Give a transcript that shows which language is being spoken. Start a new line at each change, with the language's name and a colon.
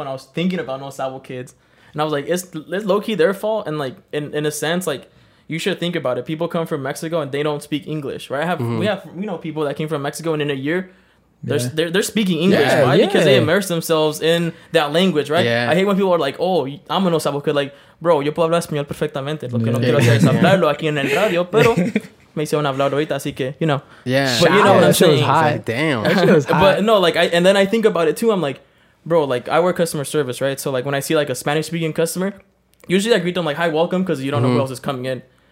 English: And I was thinking about no Sabo kids. And I was like, it's low-key their fault. And like, in a sense, like, you should think about it. People come from Mexico and they don't speak English, right? We know people that came from Mexico and in a year, they're speaking English, because they immerse themselves in that language, right? Yeah. I hate when people are like, oh, I'm a no Sabo kid. Like, bro,
Spanish: yo puedo hablar español perfectamente. Lo que no quiero hacer es hablarlo aquí en el radio, pero me hicieron hablar ahorita, así que,
English: you know. Yeah. But you know what I'm saying? That shit was hot. Damn. But no, like, and then I think about it too. I'm like, bro, like, I work customer service, right? So, like, when I see, like, a Spanish-speaking customer, usually I greet them, like, hi, welcome, because you don't know who else is coming in.